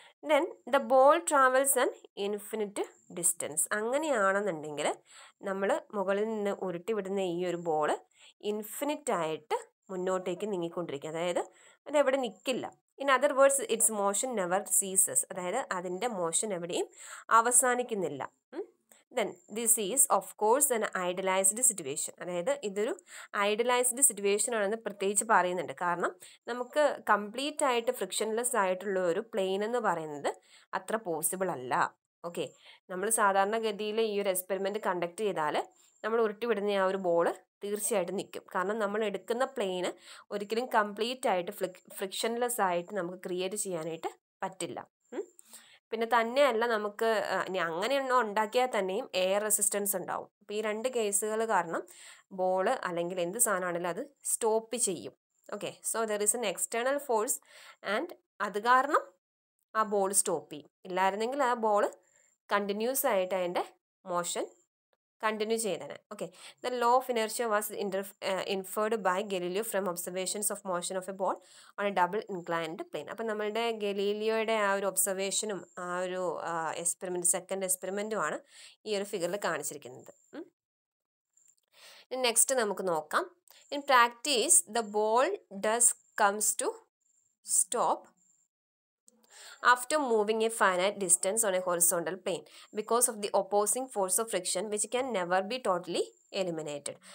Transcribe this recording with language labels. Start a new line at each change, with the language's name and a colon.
English: Then the ball travels an infinite distance.
Malayalam: അങ്ങനെയാണെന്നുണ്ടെങ്കിൽ നമ്മൾ മുകളിൽ നിന്ന് ഉരുട്ടിവിടുന്ന ഈ ഒരു ബോള് ഇൻഫിനിറ്റായിട്ട് മുന്നോട്ടേക്ക് നീങ്ങിക്കൊണ്ടിരിക്കും, അതായത് അതെവിടെ നിൽക്കില്ല.
English: in other words its motion never ceases,
Malayalam: അതായത് അതിൻ്റെ മോഷൻ എവിടെയും അവസാനിക്കുന്നില്ല.
English: Then this is of course an idealized situation.
Malayalam: അതായത് ഇതൊരു ഐഡലൈസ്ഡ് സിറ്റുവേഷൻ ആണെന്ന് പ്രത്യേകിച്ച് പറയുന്നുണ്ട്, കാരണം നമുക്ക് കംപ്ലീറ്റ് ആയിട്ട് ഫ്രിക്ഷൻലെസ് ആയിട്ടുള്ള ഒരു പ്ലെയിൻ എന്ന് പറയുന്നത് അത്ര പോസിബിൾ അല്ല. ഓക്കെ, നമ്മൾ സാധാരണഗതിയിൽ ഈ ഒരു എക്സ്പെരിമെൻ്റ് കണ്ടക്ട് ചെയ്താൽ നമ്മൾ ഉരുട്ടിവിടുന്ന ആ ഒരു ബോള് തീർച്ചയായിട്ടും നിൽക്കും, കാരണം നമ്മൾ എടുക്കുന്ന പ്ലെയിന് ഒരിക്കലും കംപ്ലീറ്റ് ആയിട്ട് ഫ്രിക്ഷൻലെസ് ആയിട്ട് നമുക്ക് ക്രിയേറ്റ് ചെയ്യാനായിട്ട് പറ്റില്ല. പിന്നെ തന്നെയല്ല നമുക്ക് ഇനി അങ്ങനെയൊന്നും ഉണ്ടാക്കിയാൽ തന്നെയും എയർ റെസിസ്റ്റൻസ് ഉണ്ടാവും. അപ്പം ഈ രണ്ട് കേസുകൾ കാരണം ബോള് അല്ലെങ്കിൽ എന്ത് സാധനമാണെങ്കിലും അത് സ്റ്റോപ്പ് ചെയ്യും. Okay,
English: so there is an external force
Malayalam: and അത് കാരണം ആ ബോൾ സ്റ്റോപ്പ് ചെയ്യും, ഇല്ലായിരുന്നെങ്കിൽ ആ ബോള് കണ്ടിന്യൂസ് ആയിട്ട് അതിൻ്റെ motion continue ചെയ്തേനെ.
English: Okay, the law of inertia was inferred by Galileo from observations of motion of a ball on a double inclined plane.
Malayalam: അപ്പം നമ്മളുടെ ഗലീലിയോയുടെ ആ ഒരു ഒബ്സർവേഷനും ആ ഒരു എക്സ്പെരിമെൻറ്റ് സെക്കൻഡ് എക്സ്പെരിമെൻറ്റുമാണ് ഈ ഒരു ഫിഗറിൽ കാണിച്ചിരിക്കുന്നത്. നെക്സ്റ്റ് നമുക്ക് നോക്കാം,
English: In practice the ball does comes to stop after moving a finite distance on a horizontal plane because of the opposing force of friction which can never be totally eliminated.